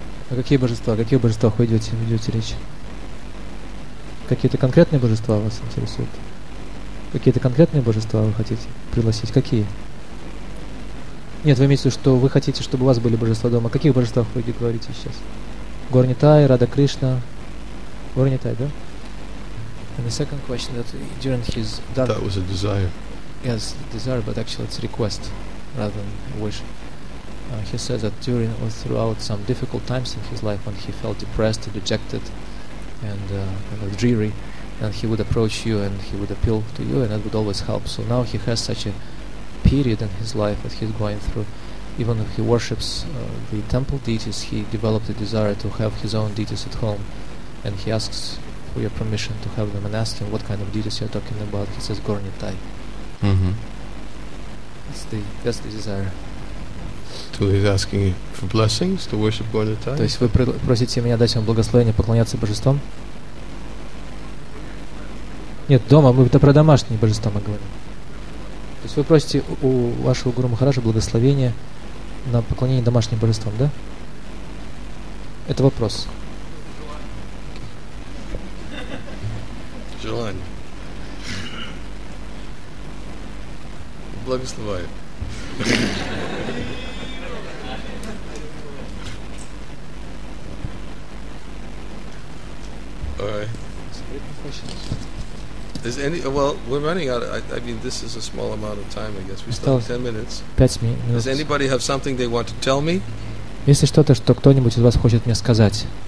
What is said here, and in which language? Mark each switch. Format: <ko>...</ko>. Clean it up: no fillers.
<ru>Какие божества? Какие божества вы ведете речь? Какие-то конкретные божества вас интересуют? Какие-то конкретные божества вы хотите пригласить? Какие? Нет, вы имеете в виду, что вы хотите, чтобы у вас были божества дома. О каких божествах вы говорите сейчас? Горнитай, Рада Кришна. Горнитай, да?</ru> <en>And the second question that during his done, that was a desire. Yes, desire, but actually it's a request rather than a wish. He says that during or throughout some difficult times in his life, when he felt depressed, dejected, and kind of dreary, and he would approach you and he would appeal to you, and that would always help. So now he has such a period in his life that he's going through. Even if he worships the temple deities, he developed a desire to have his own deities at home, and he asks for your permission to have them, and ask him what kind of deities you're talking about. He says Gornitai. Mm-hmm. That's the desire. So he's asking for blessings to worship Gornitai.</en> <ru>То есть вы просите меня дать вам благословение поклоняться божествам? Нет, дома мы это про домашние божества мы говорим. То есть вы просите у вашего гуру Махараджа благословение на поклонение домашним божествам, да? Это вопрос. Желание. Благословляю.</ru> <en>Is any well? We're running out. I mean, this is a small amount of time. I guess we still have 10 minutes. Does anybody have something they want to tell me?</en> <ru>Если что-то, что кто-нибудь из вас хочет мне сказать.</ru>